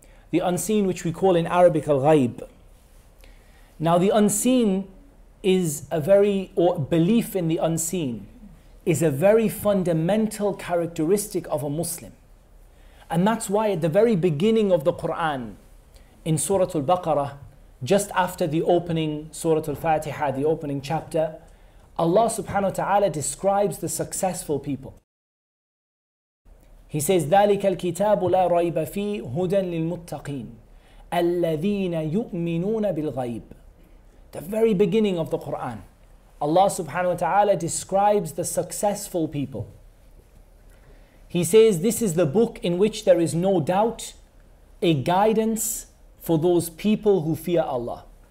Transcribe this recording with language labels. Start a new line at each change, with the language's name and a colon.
English: The unseen, which we call in Arabic al-ghayb. Now the unseen is a very, or belief in the unseen, is a very fundamental characteristic of a Muslim. And that's why at the very beginning of the Quran, in Surah Al-Baqarah, just after the opening Surah Al-Fatiha, the opening chapter, Allah subhanahu wa ta'ala describes the successful people. He says,
Arabic: ذَلِكَ الْكِتَابُ لَا رَيْبَ فِيهِ هُدًى لِلْمُتَّقِينَ الَّذِينَ يُؤْمِنُونَ بِالْغَيْبِ.
English: The very beginning of the Quran, Allah subhanahu wa ta'ala describes the successful people. He says, this is the book in which there is no doubt, a guidance for those people who fear Allah.